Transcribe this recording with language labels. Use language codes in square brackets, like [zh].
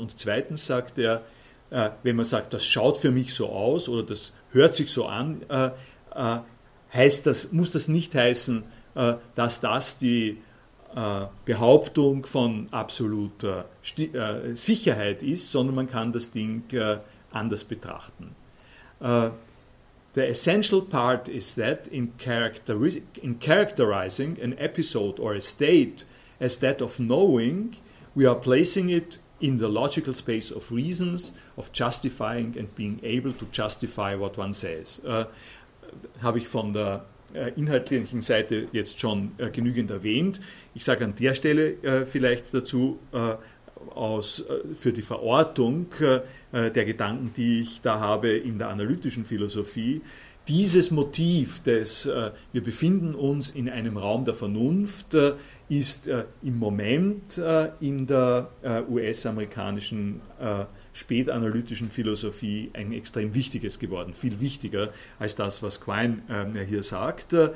[de] Und zweitens sagt er, wenn man sagt, das schaut für mich so aus oder das hört sich so an, heißt das, muss das nicht heißen, dass das die Behauptung von absoluter Sicherheit ist, sondern man kann das Ding anders betrachten. [en] The essential part is that in characterizing an episode or a state as that of knowing, we are placing it in the logical space of reasons, of justifying and being able to justify what one says. [de] Habe ich von der inhaltlichen Seite jetzt schon genügend erwähnt. Ich sage an der Stelle vielleicht dazu, für die Verortung der Gedanken, die ich da habe in der analytischen Philosophie, dieses Motiv des wir befinden uns in einem Raum der Vernunft ist im Moment in der US-amerikanischen spätanalytischen Philosophie ein extrem wichtiges geworden, viel wichtiger als das, was Quine hier sagt.